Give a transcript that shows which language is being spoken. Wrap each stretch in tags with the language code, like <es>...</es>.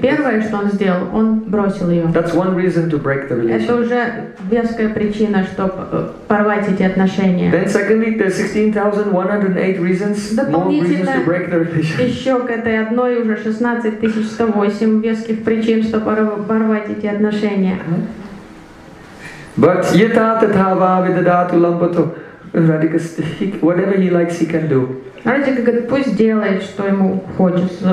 <ru>Первое, что он сделал, он бросил ее.</ru> <en>That's one reason to break the relationship.</en> <ru>Это уже веская причина, чтобы порвать эти отношения.</ru> <en>Then secondly, there are 16,108 reasons, more reasons to break the relationship.</en> <ru>Еще к этой одной уже 16,108 веских причин, чтобы порвать эти отношения.</ru> <en>But</en> <sa>yata tatha va vidadatu lambato.</sa> <en>Radhika, whatever he likes, he can do.</en> <ru>Радика говорит, пусть делает, что ему хочется.</ru>